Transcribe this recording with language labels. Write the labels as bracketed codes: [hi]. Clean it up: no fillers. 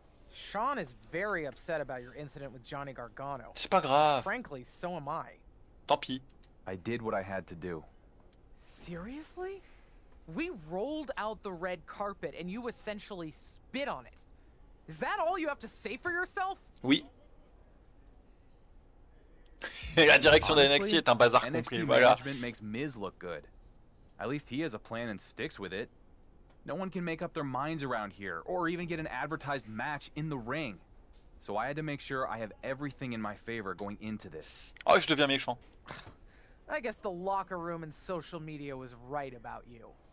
[en] Sean is very upset about your incident with Johnny Gargano. [fr] C'est pas grave. [en] Frankly, so am I. [fr] Tant pis. [en] I did what I had to do. Seriously? We rolled out the red carpet and you essentially spit on it. Is that all you have to say for yourself? [fr] Oui. La direction de NXT est un bazar compris, voilà. [en] NXT management makes Miz look good. At least he has a plan and sticks with it. No one can make up their minds around here, or even get an advertised match in the ring. So I had to make sure I have everything in my favor going into this. [fr] Oh, je deviens méchant. [en] I guess the locker room and social media was right about you.